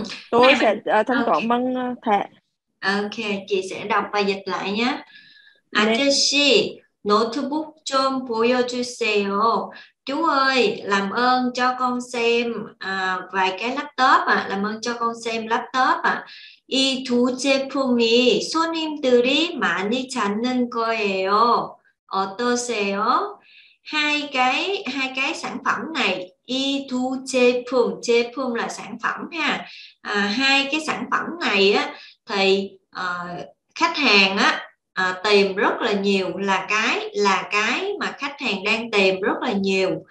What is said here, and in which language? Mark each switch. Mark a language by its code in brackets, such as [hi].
[vi] Tôi sẽ thanh toán bằng thẻ. Ok, chị sẽ đọc và dịch lại nhé. [ko] 아저씨, 노트북 좀 보여주세요. [vi] 주 ơi, làm ơn cho con xem vài cái laptop ạ. Làm ơn cho con xem laptop ạ. [ko] 이 두 제품이 손님들이 많이 찾는 거예요. 어떠세요? [vi] Hai cái sản phẩm này, [ko] 이 두 제품, 제품 [vi] là sản phẩm ha. Hai cái sản phẩm này á thì khách hàng á tìm rất là nhiều, là cái mà khách hàng đang tìm rất là nhiều.